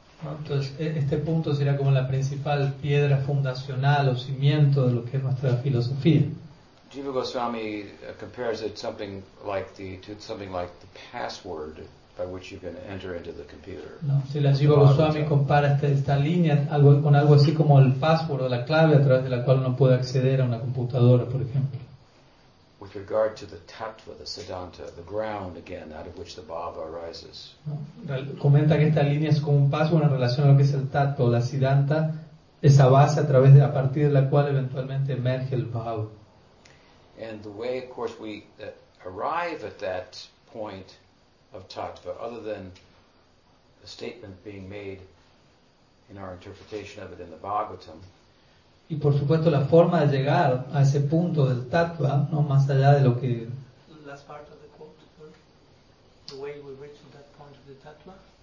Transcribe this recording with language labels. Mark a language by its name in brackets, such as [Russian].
[Spanish] Entonces este punto será como la principal piedra fundacional o cimiento de lo que es nuestra filosofía. [English] Jiva Goswami compares it to something like the password by which you can enter into the computer. [Spanish] No, si la Jiva Goswami compara esta línea con algo así como el password o la clave a través de la cual uno puede acceder a una computadora, por ejemplo. [English] with regard to the tattva, the siddhanta, the ground again out of which the bhava arises. [Spanish] Comenta que esta línea es como un paso en relación a lo que es el tattva, la siddhanta, esa base a través de, a partir de la cual eventualmente emerge el bhava. [English] And the way, of course, we arrive at that point of tattva, other than a statement being made in our interpretation of it in the Bhagavatam. [Spanish] Y por supuesto la forma de llegar a ese punto del tattva, no más allá de lo que. [English] Last part of the quote, or the way we reach that point of the tattva.